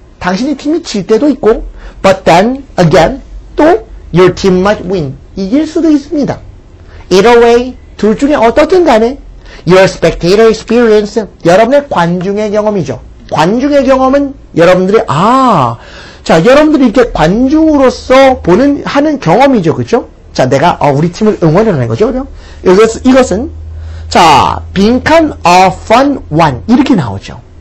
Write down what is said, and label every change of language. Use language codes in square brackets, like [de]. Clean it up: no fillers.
[ko] 당신의 팀이 질 때도 있고. [en] But then again, 또 your team might win. [ko] 이길 수도 있습니다. [en] Either way, [ko] 둘 중에 어떻든 간에 [en] your spectator experience, [ko] 여러분의 관중의 경험이죠. 관중의 경험은 여러분들이 아, 자, 여러분들이 이렇게 관중으로서 보는 하는 경험이죠. 그렇죠? 자, 내가 우리 팀을 응원하는 거죠. 그렇죠? 이것은 자, 빈칸 [en] a fun one [ko] 이렇게 나오죠.